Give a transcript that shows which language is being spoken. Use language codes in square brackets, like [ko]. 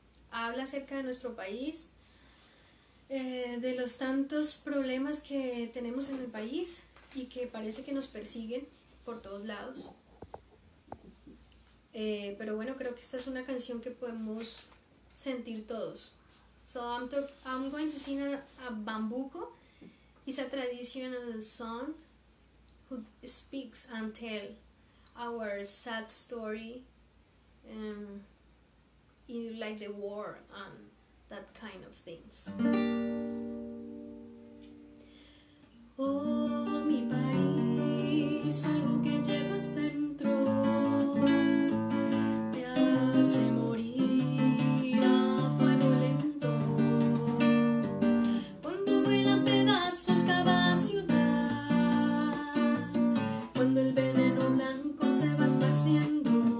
[es] Habla acerca de nuestro país. De los tantos problemas que tenemos en el país y que parece que nos persiguen por todos lados. Pero bueno, creo que esta es una canción que podemos sentir todos. [en] So I'm going to sing a bambuco. It's a traditional song who speaks and tell our sad story in like the war and that kind of things. [es] Oh, mi país, algo que llevas dentro, te hace morir a fuego lento. Cuando vuelan pedazos cada ciudad, cuando el veneno blanco se va esparciendo.